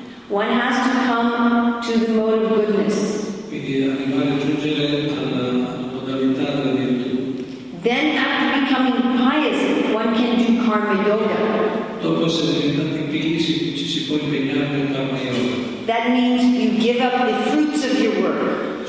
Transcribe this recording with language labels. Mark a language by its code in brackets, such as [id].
[en] One has to come to the mode of goodness. [it] Quindi arrivare a giungere alla modalità della virtù. [en] Then after becoming pious, one can do karma yoga. [it] Dopo essere diventati pieni ci si può impegnare nel karma yoga. [en] That means you give up the fruits of your work.